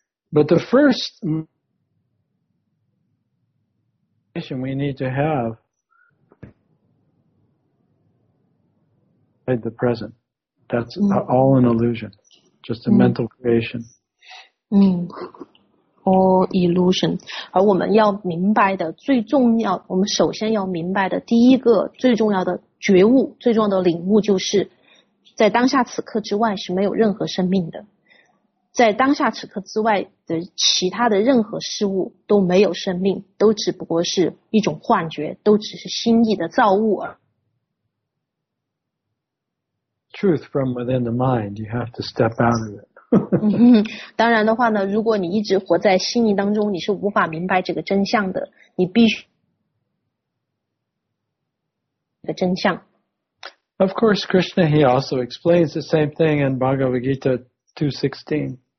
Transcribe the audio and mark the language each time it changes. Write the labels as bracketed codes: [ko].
[en] But the first question we need to have is the present. That's all an illusion, just a mental creation. All illusion. [zh] 而我们要明白的最重要，我们首先要明白的第一个最重要的觉悟，最重要的领悟就是，在当下此刻之外是没有任何生命的。在当下此刻之外的其他的任何事物都没有生命，都只不过是一种幻觉，都只是心意的造物而。 [en] Truth from within the mind, you have to step out of it. [zh] 当然的话呢，如果你一直活在心意当中，你是无法明白这个真相的，你必须这个真相。 [en] Of course, Krishna, he also explains the same thing in Bhagavad Gita 2.16.